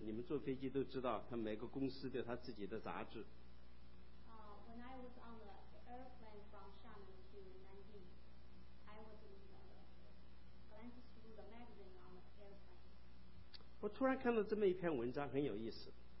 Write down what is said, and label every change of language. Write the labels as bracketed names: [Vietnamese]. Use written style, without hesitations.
[Chinese] 你们坐飞机都知道，他每个公司都有他自己的杂志。 [English] When I was on the airplane from 厦门to 南京， I was glance through the magazine on the airplane. [Chinese] 我突然看到这么一篇文章，很有意思。